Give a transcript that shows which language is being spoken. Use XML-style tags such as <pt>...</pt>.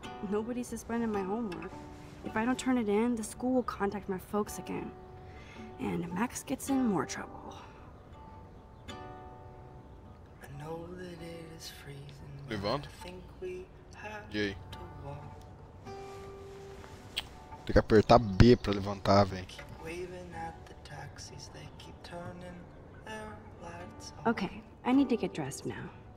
<en>Nobody suspended my homework. If I don't turn it in, the school will contact my folks again. And Max gets in more trouble. I know that it is freezing. Levant. I think we have to walk.</en> <pt>Tem que apertar B pra levantar, velho.</pt> <en>Keep waving at the taxis, they keep turning their lights off. Okay, I need to get dressed now.</en>